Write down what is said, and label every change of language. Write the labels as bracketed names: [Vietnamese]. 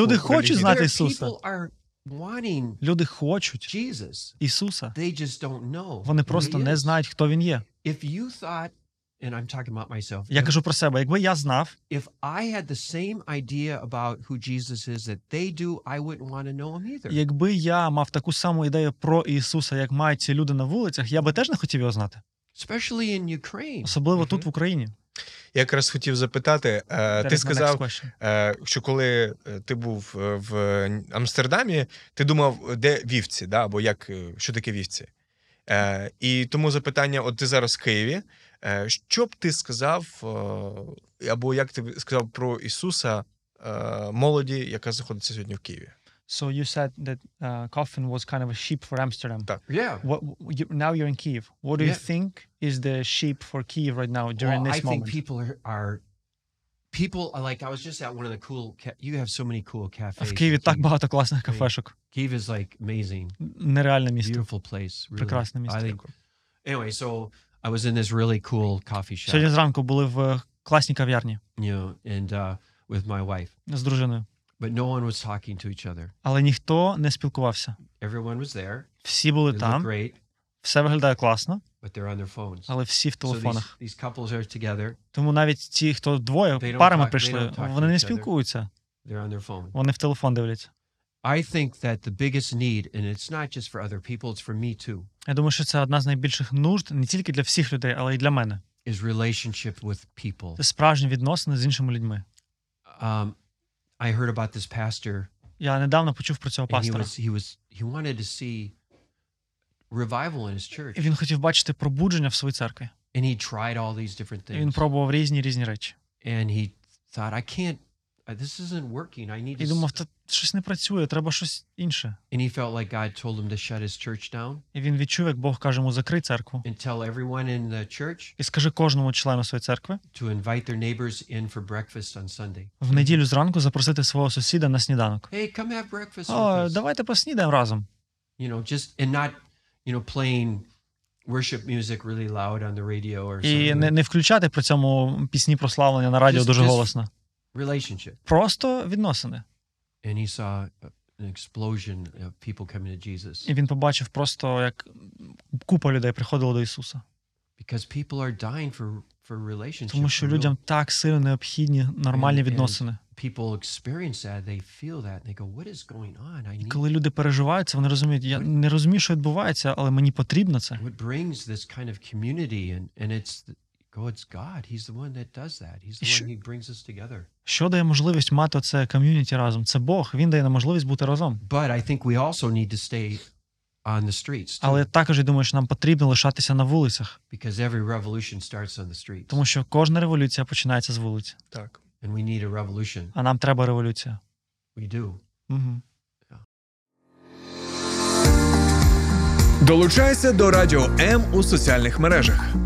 [Ukrainian] Люди хочуть знати Ісуса. [English] Wanting [Ukrainian] люди хочуть [English] Jesus, [Ukrainian] Ісуса. [English] They just don't know. [Ukrainian] Вони просто не знають, хто він є. [English] If you thought And I'm talking about myself. [Ukrainian] Я кажу про себе. Якби я знав, [English] if I had the same idea about who Jesus is that they do, I wouldn't want to know him either. [Ukrainian] Якби я мав таку саму ідею про Ісуса, як мають ці люди на вулицях, я би теж не хотів його знати. [English] Especially in Ukraine. [Ukrainian] Особливо тут в Україні. Я якраз хотів запитати, ти сказав, що коли ти був в Амстердамі, ти думав, де вівці, да, або як, що таке вівці? І тому запитання, от ти зараз в Києві, що б ти сказав, або як ти сказав про Ісуса молоді, яка знаходиться сьогодні в Києві? [English] So you said that Coffin was kind of a sheep for Amsterdam. [Ukrainian] Так. [English] Yeah. Now you're in Kyiv. What do you think is the sheep for Kyiv right now during this moment? I think people are like, I was just at one of the cool, you have so many cool cafes. [Ukrainian] В Києві так багато класних кафешок. [English] Kyiv is like amazing. [Ukrainian] Нереальне місто. [English] Beautiful place. Really. [Ukrainian] Прекрасне місто. [English] I think, anyway, so I was in this really cool coffee shop. [Ukrainian] Сьогодні зранку були в класній кав'ярні. [English] Yeah, and with my wife. [Ukrainian] З дружиною. [English] But no one was talking to each other. [Ukrainian] Але ніхто не спілкувався. [English] Everyone was there. [Ukrainian] Всі були там. [English] Look great. [Ukrainian] Все виглядає класно. [English] But they're on their phones. [Ukrainian] Але всі в телефонах. [English] So these couples are together. [Ukrainian] Тому навіть ті, хто двоє, парами прийшли, вони не спілкуються. [English] They're on their phone. [Ukrainian] Вони в телефон дивляться. [English] I think that the biggest need, and it's not just for other people, it's for me too. [Ukrainian] Я думаю, що це одна з найбільших нужд, не тільки для всіх людей, але й для мене. [English] Is relationship with people. [Ukrainian] Це справжні відносини з іншими людьми. [English] I heard about this pastor. [Ukrainian] Я недавно почув про цього пастора. [English] He wanted to see revival in his church. [Ukrainian] І він хотів бачити пробудження в своїй церкві. [English] And he tried all these different things. [Ukrainian] Він пробував різні речі. [English] And he thought, I can't, this isn't working. I need to. [Ukrainian] І думав, та щось не працює, треба щось інше. [English] And he felt like God told him to shut his church down. [Ukrainian] І він відчув, як Бог каже йому закрити церкву. [English] And tell everyone in the church. [Ukrainian] І скажи кожному члену своєї церкви. [English] To invite their neighbors in for breakfast on Sunday. [Ukrainian] В неділю зранку запросити свого сусіда на сніданок. [English] Hey, come have breakfast. [Ukrainian] О, давайте поснідаємо разом. [English] You know, just and not, you know, playing worship music really loud on the radio or something. [Ukrainian] І не включати при цьому пісні прославлення на радіо дуже голосно. [English] Relationship. [Ukrainian] Просто відносини. [English] And he saw an explosion of people coming to Jesus. [Ukrainian] І він побачив просто, як купа людей приходила до Ісуса. [English] Because people are dying for relationships. [Ukrainian] Тому що людям так сильно необхідні нормальні відносини. [English] People experience that, they feel that, they go, what is going on? [Ukrainian] І коли люди переживають це, вони розуміють, я не розумію, що відбувається, але мені потрібно це. [English] What brings this kind of community and it's God's God, he's the one that does that. He's the one who brings us together. [Ukrainian] Що дає можливість мати це ком'юніті разом? Це Бог, він дає нам можливість бути разом. [English] But I think we also need to stay on the streets. [Ukrainian] Але також я думаю, що нам потрібно лишатися на вулицях. [English] Because every revolution starts on the streets. [Ukrainian] Тому що кожна революція починається з вулиці. Так. [English] And we need a revolution. [Ukrainian] А нам треба революція. [English] We do. [Ukrainian] Долучайся до Радіо М у соціальних мережах.